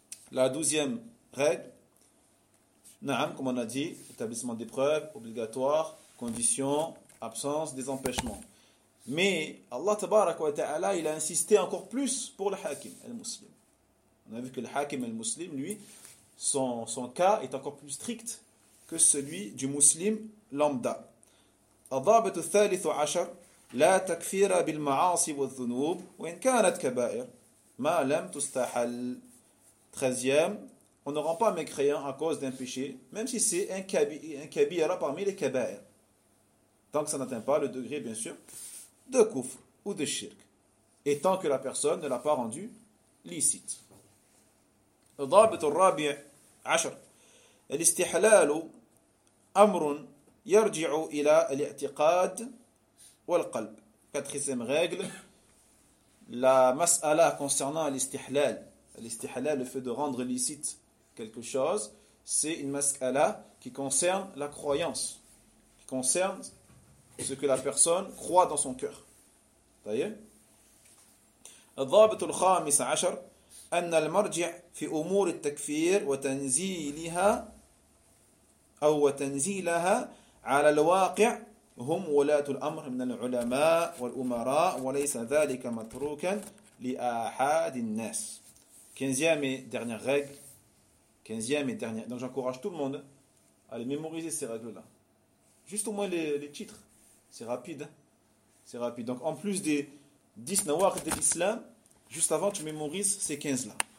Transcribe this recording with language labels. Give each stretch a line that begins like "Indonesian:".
French: La douzième règle, na'am, comme on a dit, établissement des preuves, obligatoire, condition, absence des empêchements. Mais Allah
Arabic: tabarak wa ta'ala,
French: il a insisté encore plus pour le hakim, le muslim. On a vu que le hakim, le muslim, lui, son cas est encore plus strict que celui du muslim lambda.
Arabic: الضابط الثالث عشر لا تكفير بالمعاصي والذنوب وإن كانت كبائر ما لم تستحل.
French: Treizième, on ne rend pas mécréant à cause d'un péché, même si c'est un kabira parmi les kabair, tant que ça n'atteint pas le degré, bien sûr, de kufr ou de shirk, et tant que la personne ne l'a pas rendu licite.
Arabic: الضابط الرابع عشر الاستحلال أمر يرجع إلى الاعتقاد والقلب.
French: Quatrième règle, la mas'ala concernant l'istihlal. L'istihlal, le fait de rendre licite quelque chose, c'est une mas'ala qui concerne la croyance, qui concerne ce que la personne croit dans son cœur.
Arabic: الضابط الخامس عشر أن المرجع في أمور التكفير وتنزيلها أو وتنزيلها على الواقع هم ولاة الأمر من العلماء والأمراء وليس ذلك متروكا لأحد الناس.
French: Quinzième et dernière règle. Quinzième et dernière. Donc j'encourage tout le monde à les mémoriser, ces règles-là. Juste au moins les titres. C'est rapide. C'est rapide. Donc en plus des 10 nawaqid de l'islam, juste avant tu mémorises ces 15-là.